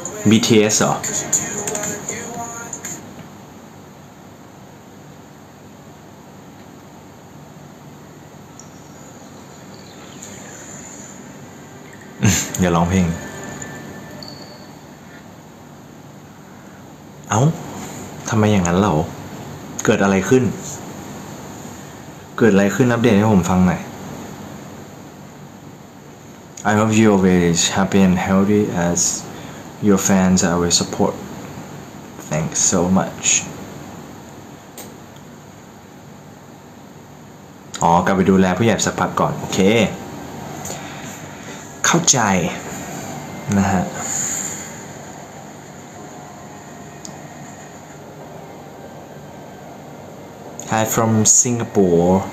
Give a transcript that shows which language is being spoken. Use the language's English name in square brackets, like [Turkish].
[Thai] BTS เหรออย่าร้องเพลงเอ้าทำไมอย่างนั้นเหรอเกิดอะไรขึ้นอัปเดตให้ผมฟังหน่อย [English] I hope you always happy and healthy as your fans are always support Thanks so much [Thai] กลับไปดูแลผู้ใหญ่สักพักก่อนโอเคเข้าใจนะฮะ [English] ฮาย from Singapore